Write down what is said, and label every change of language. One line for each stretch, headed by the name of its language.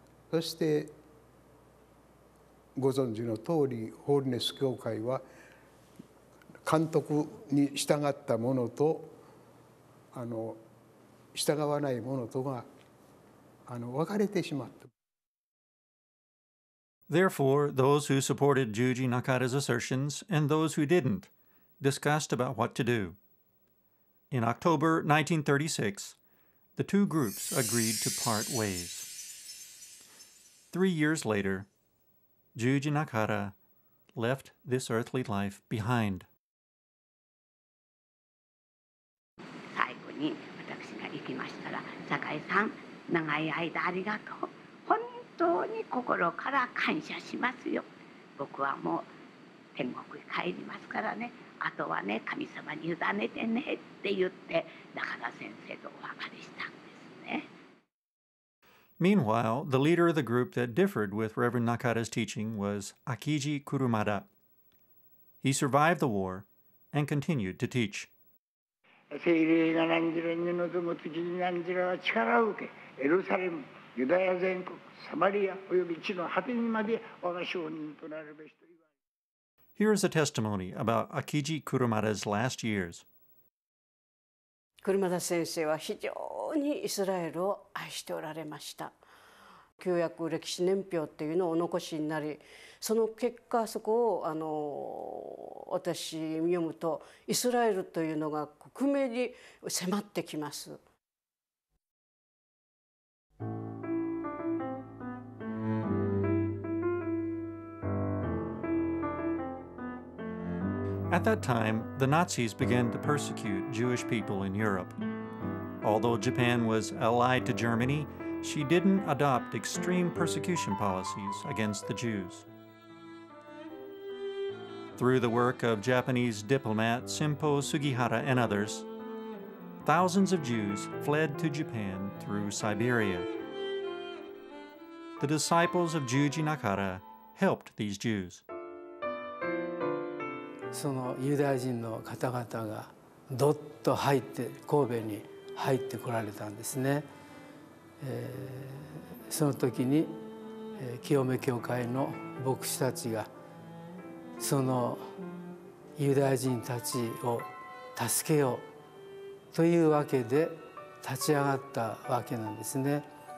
Japanese: そしてご存知の通り、ホーリネス教会は監督に従ったものと従わないものとが分かれてしまった。
English: Therefore, those who supported Juji Nakata's assertions and those who didn't discussed about what to do. In October 1936, the two groups agreed to part ways. 3 years later, Juji Nakata left this earthly life behind.
Japanese: 最後に私が行きましたら、坂井さん、長い間ありがとう。本当に心から感謝しますよ。僕はもう天国へ帰りますからね。あとはね、神様に委ねてねって言って、中田先生とお別れしたんですね。
English: Meanwhile, the leader of the group that differed with Reverend Nakata's teaching was Akiji Kurumada. He survived the war and continued to teach.
Japanese: 聖霊が何時に臨む時に何時は力を受け、エルサレム、ユダヤ全国、サマリア及び地の果てにまで我が証人となるべしと言われ。
English: Here is a testimony about Akiji Kurumada's last years.
Japanese: Kurumada 先生は非常にイスラエルを愛しておられました。旧約歴史年表っていうのをお残しになり、その結果そこを私読むと、イスラエルというのが克明に迫ってきます。
English: At that time, the Nazis began to persecute Jewish people in Europe. Although Japan was allied to Germany, she didn't adopt extreme persecution policies against the Jews. Through the work of Japanese diplomat Senpo Sugihara and others, thousands of Jews fled to Japan through Siberia. The disciples of Juji Nakata helped these Jews.
Japanese: そのユダヤ人の方々がどっと入って神戸に入ってこられたんですね。その時に清め教会の牧師たちがそのユダヤ人たちを助けようというわけで立ち上がったわけなんですね。